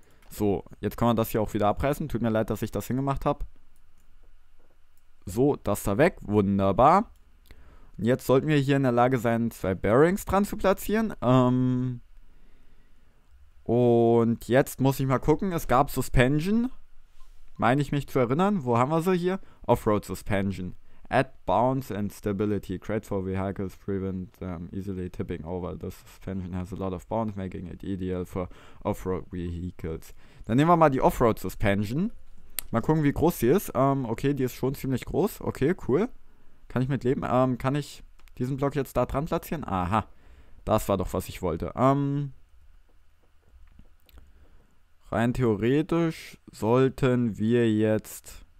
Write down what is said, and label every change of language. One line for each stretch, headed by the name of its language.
German: So, jetzt kann man das hier auch wieder abreißen. Tut mir leid, dass ich das hingemacht habe. So, das da weg. Wunderbar. Und jetzt sollten wir hier in der Lage sein, zwei Bearings dran zu platzieren. Und jetzt muss ich mal gucken. Es gab Suspension. Meine ich mich zu erinnern, wo haben wir sie hier?
English: Offroad Suspension. Add Bounce and Stability. Great for vehicles, prevent easily tipping over. The suspension has a lot of bounce, making it ideal for offroad vehicles.
German: Dann nehmen wir mal die Offroad Suspension. Mal gucken, wie groß sie ist. Okay, die ist schon ziemlich groß. Okay, cool. Kann ich mit leben? Kann ich diesen Block jetzt da dran platzieren? Aha, das war doch, was ich wollte. Rein theoretisch sollten wir jetzt...